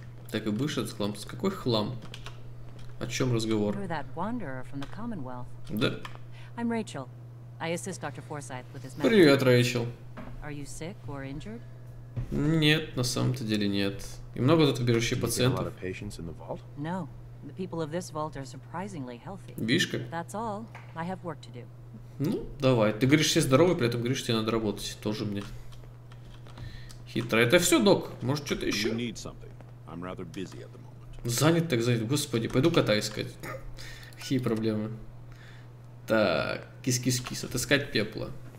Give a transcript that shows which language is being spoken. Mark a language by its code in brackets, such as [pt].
[ru] Так и будешь этот хлам? Какой хлам? О чем разговор? [en] You're that wanderer from the Commonwealth. [ru] Да. [en] I'm Rachel. I assist Dr. Forsythe with his medical. [ru] Привет, Рэйчел. [en] Are you sick or injured? [ru] Нет, на самом-то деле нет. И много тут убежище пациентов. [en] You get a lot of patients in the vault? No. The people of this vault are surprisingly healthy. [ru] Вишка. [en] That's all. I have work to do. [ru] Ну, давай. Ты говоришь, все здоровы, при этом говоришь, тебе надо работать. Тоже мне. Хитро. Это все, док. Может, что-то еще? Занят так занят. Господи, пойду кота искать. Какие проблемы. Так, кис-кис-кис. Отыскать пепла.